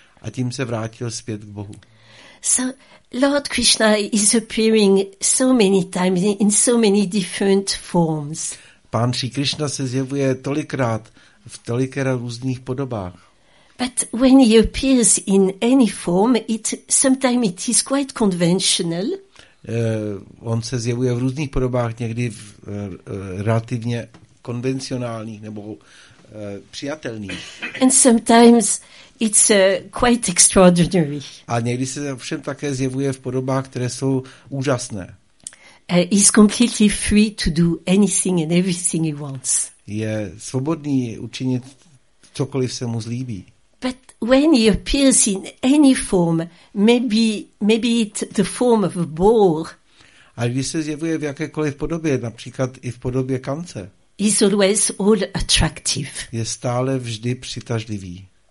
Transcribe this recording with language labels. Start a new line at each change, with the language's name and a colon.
Czech: A tím se vrátil zpět k Bohu.
English: So Lord Krishna is appearing so many times in so many different forms.
Czech: Pán Sri Krishna se zjevuje tolikrát v tolikera různých podobách.
English: But when he appears in any form, it sometimes it is quite conventional.
Czech: On se zjevuje v různých podobách, někdy v relativně konvencionálních nebo přijatelných.
English: And sometimes it's quite extraordinary.
Czech: A někdy se ovšem také zjevuje v podobách, které jsou úžasné.
English: He's completely free to do anything and everything he wants.
Czech: Je svobodný učinit cokoliv se mu zlíbí.
English: But when he appears in any form, maybe it's the form of a boar.
Czech: A když se zjevuje v jakékoliv podobě, například i v podobě kance.
English: He's always all attractive.
Czech: Je stále vždy přitažlivý.